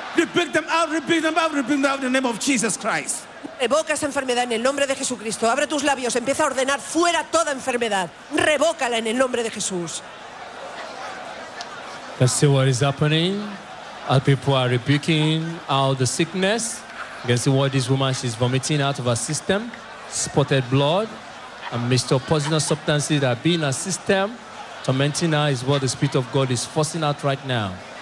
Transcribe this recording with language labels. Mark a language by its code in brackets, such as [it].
[en] Rebuke them out in the name of Jesus Christ. [es] Evoca esa enfermedad en el nombre de Jesucristo. Abre tus labios, empieza a ordenar fuera toda enfermedad. Revócala en el nombre de Jesús. [en] Let's see what is happening. As people are rebuking out the sickness. You can see what this woman is vomiting out of her system. Spotted blood. And mixed up poisonous substances that have been in her system. Tormenting her is what the Spirit of God is forcing out right now.